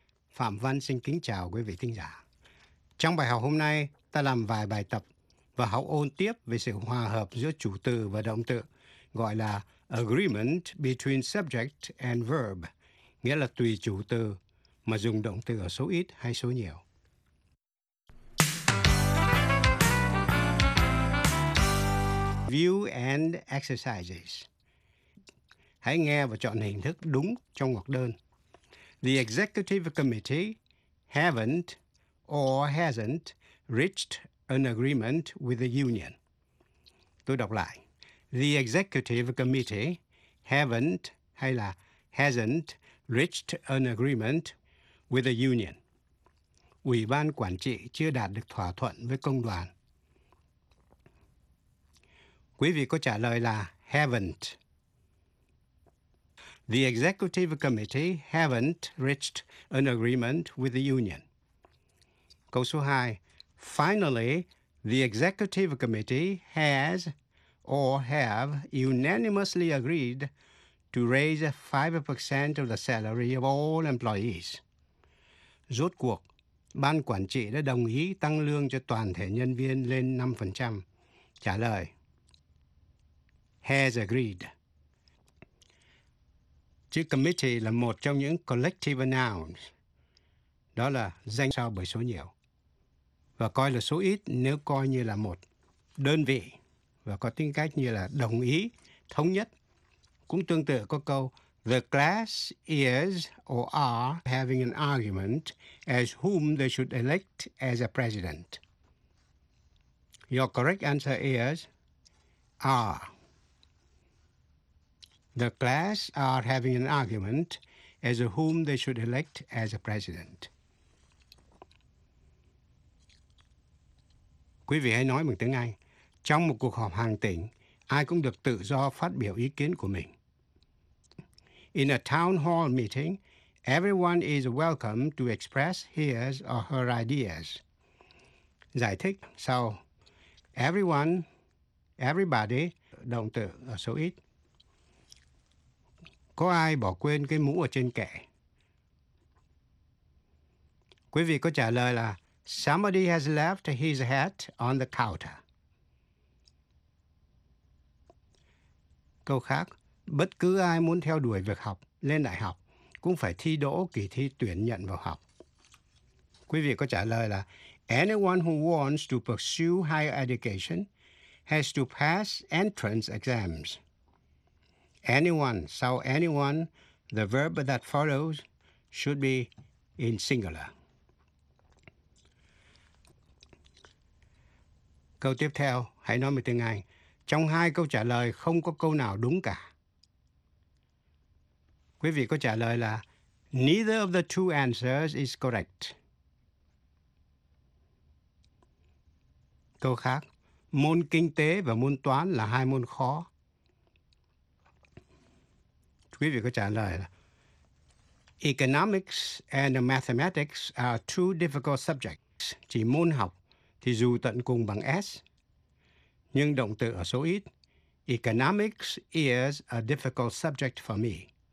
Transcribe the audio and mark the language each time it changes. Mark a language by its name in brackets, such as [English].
[Vietnamese] Phạm Văn xin kính chào quý vị thính giả. Trong bài học hôm nay, ta làm vài bài tập và học ôn tiếp về sự hòa hợp giữa chủ từ và động từ, gọi là [English] agreement between subject and verb, [Vietnamese] nghĩa là tùy chủ từ mà dùng động từ ở số ít hay số nhiều. [English] View and exercises. [Vietnamese] Hãy nghe và chọn hình thức đúng trong ngoặc đơn. [English] The executive committee haven't or hasn't reached an agreement with the union. [Vietnamese] Tôi đọc lại. [English] The executive committee haven't, [Vietnamese] hay là [English] hasn't, reached an agreement with the union. [Vietnamese] Ủy ban quản trị chưa đạt được thỏa thuận với công đoàn. Quý vị có trả lời là haven't. [English] The executive committee haven't reached an agreement with the union. [Vietnamese] Câu số 2. [English] Finally, the executive committee has or have unanimously agreed to raise 5% of the salary of all employees. [Vietnamese] Rốt cuộc, ban quản trị đã đồng ý tăng lương cho toàn thể nhân viên lên 5%. Trả lời. [English] Has agreed. [Vietnamese] Chữ committee là một trong những collective nouns. Đó là danh sau bởi số nhiều. Và coi là số ít nếu coi như là một đơn vị và có tính cách như là đồng ý, thống nhất. Cũng tương tự có câu [English] the class is or are having an argument as whom they should elect as a president. Your correct answer is are. The class are having an argument as to whom they should elect as a president. [Vietnamese] Quý vị hãy nói bằng tiếng Anh. Trong một cuộc họp hàng tỉnh, ai cũng được tự do phát biểu ý kiến của mình. [English] In a town hall meeting, everyone is welcome to express his or her ideas. [Vietnamese] Giải thích sau. Everyone, everybody, động từ ở số ít. Có ai bỏ quên cái mũ ở trên kệ? Quý vị có trả lời là [English] somebody has left his hat on the counter. [Vietnamese] Câu khác, bất cứ ai muốn theo đuổi việc học, lên đại học, cũng phải thi đỗ kỳ thi tuyển nhận vào học. Quý vị có trả lời là [English] anyone who wants to pursue higher education has to pass entrance exams. Anyone, sau anyone, the verb that follows should be in singular. [Vietnamese] Câu tiếp theo, hãy nói một tiếng Anh. Trong hai câu trả lời, không có câu nào đúng cả. Quý vị có trả lời là [English] neither of the two answers is correct. [Vietnamese] Câu khác, môn kinh tế và môn toán là hai môn khó. Quý vị có trả lời là [English] economics and mathematics are two difficult subjects. [Vietnamese] Chỉ môn học thì dù tận cùng bằng S, nhưng động từ ở số ít. [English] Economics is a difficult subject for me.